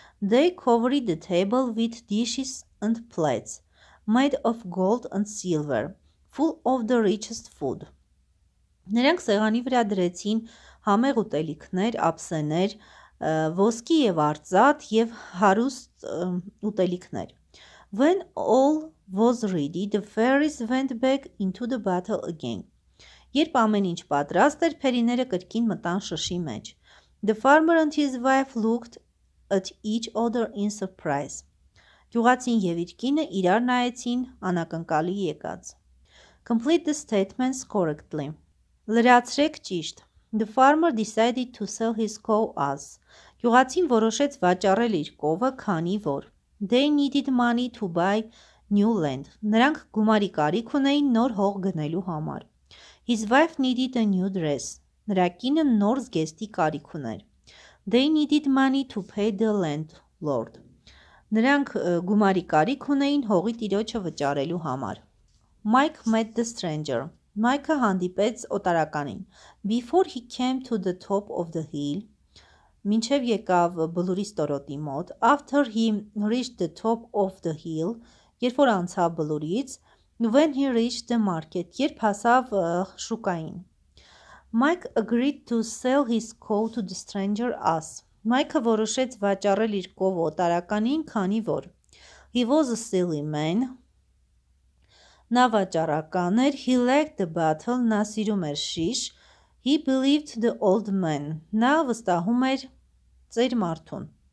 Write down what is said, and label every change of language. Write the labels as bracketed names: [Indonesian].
[English] They covered the table with dishes and plates made of gold and silver, full of the richest food. [Armenian] Նրանք սեղանի վրա դրեցին համեղ ուտելիքներ, ափսեներ, ոսկի և արծաթ և հարուստ ուտելիքներ. [English] When all was ready, the fairies went back into the battle again. [Armenian] Երբ ամեն ինչ պատրաստ էր, փերիները կրկին մտան շշի մեջ. [English] The farmer and his wife looked at each other in surprise. [Armenian] Գյուղացին և իր կինը իրար նայեցին անակնկալի եկած. [English] Complete the statements correctly. [Armenian] Լրացրեք ճիշտ. [English] The farmer decided to sell his cow as. [Armenian] Գյուղացին որոշեց վաճառել իր կովը, քանի որ. [English] They needed money to buy new land. [Armenian] Նրանք գումարի կարիք ունեին նոր հող գնելու համար. [English] His wife needed a new dress. [Armenian] Նրա կինը նոր զգեստի կարիք ուներ. [English] They needed money to pay the landlord. [Armenian] Նրանք գումարի կարիք ունեին հողի տիրոջը վճարելու համար. [English] Mike met the stranger. [Armenian] Մայքը հանդիպեց օտարականին. [English] Before he came to the top of the hill, [Armenian] մինչև եկավ բլուրի ստորոտի մոտ, [English] after he reached the top of the hill, [Armenian] երբ որ անցավ բլուրից, [English] when he reached the market, [Armenian] երբ հասավ շուկային. [English] Mike agreed to sell his cow to the stranger as. [Armenian] Մայքը որոշեց վաճառել իր կովը օտարականին, քանի որ. [English] He was a silly man. [Armenian] Նա վաճառական էր, [English] he liked the battle, [Armenian] նա սիրում էր շիշ, [English] he believed the old man, [Armenian] նա վստահում էր ծեր մարդուն.